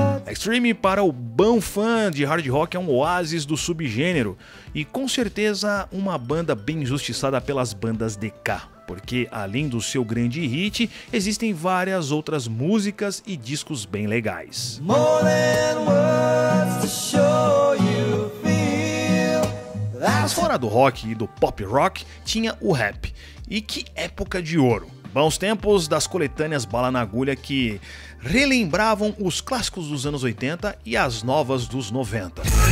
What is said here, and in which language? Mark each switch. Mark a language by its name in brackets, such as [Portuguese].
[Portuguese] Extreme, para o bom fã de hard rock, é um oásis do subgênero. E com certeza uma banda bem injustiçada pelas bandas de cá. Porque além do seu grande hit, existem várias outras músicas e discos bem legais. [English] More than words to show you feel. [Portuguese] Mas fora do rock e do pop rock, tinha o rap. E que época de ouro! Bons tempos das coletâneas Bala na Agulha, que relembravam os clássicos dos anos 80 e as novas dos 90.